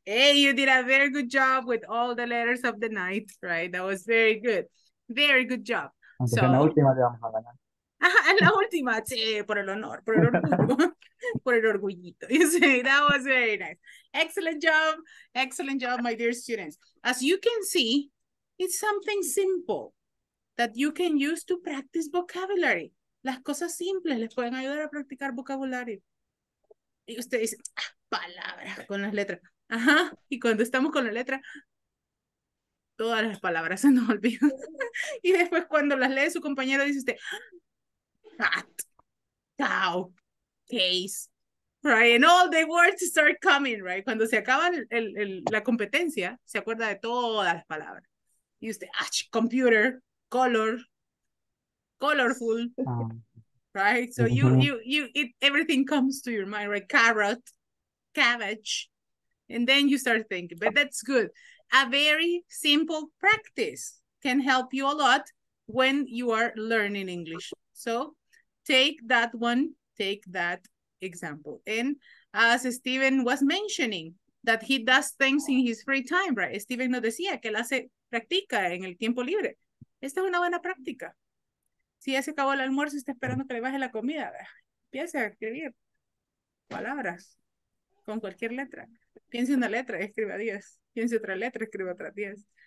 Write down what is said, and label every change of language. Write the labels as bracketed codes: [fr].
[en] Hey, you did a very good job with all the letters of the night, right? That was very good. Very good job. [es] So, en la última te vamos a ganar. En la última, sí, por el honor, por el orgullo. Por el orgullito. [en] You see, that was very nice. Excellent job. Excellent job, my dear students. As you can see, it's something simple that you can use to practice vocabulary. [es] Las cosas simples les pueden ayudar a practicar vocabulario. Y usted dice, ah, palabras con las letras. Ajá, y cuando estamos con la letra, todas las palabras se nos olvidan. Y después cuando las lee su compañero, dice usted, cat, cow, case, [en] Right, and all the words start coming, right? [es] Cuando se acaba la competencia, se acuerda de todas las palabras. Y usted, ach, [en] computer, color, colorful, right? So you it, everything comes to your mind, right? Carrot, cabbage, and then you start thinking, but that's good. A very simple practice can help you a lot when you are learning English. So take that one, take that example. And as Steven was mentioning, that he does things in his free time, right? [es] Steven no decía que él hace practica en el tiempo libre. Esta es una buena práctica. Si ya se acabó el almuerzo, está esperando que le baje la comida. Empiece a escribir palabras con cualquier letra. Piense una letra, escriba 10. Piense otra letra, escriba otras 10.